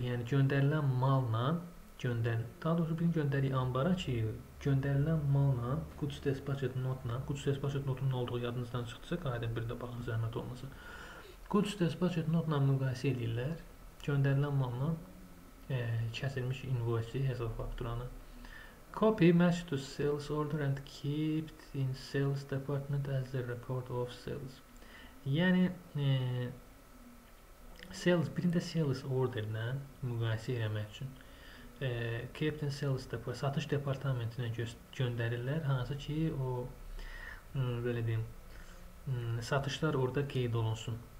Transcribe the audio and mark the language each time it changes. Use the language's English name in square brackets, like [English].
[Azerbaijani] Yəni göndərilən malla daha doğrusu birini göndəririk ambara ki göndərilən malla goods dispatched notla goods dispatched notun nə olduğu yadınızdan çıxdısa qaydın bir də baxın zəhmət olmasa. Goods dispatched notla müqayisə edirlər. Göndərilən malla kəsilmiş invoice hesab fakturanı. [English] Copy match to sales order and keep in sales department as the record of sales. [Azerbaijani] Yəni sales birində sales orderlə müqayisə etmək üçün Captain Sales satış departamentinə göndərirlər. Hansı ki o belə deyim satışlar orada qeyd olunsun.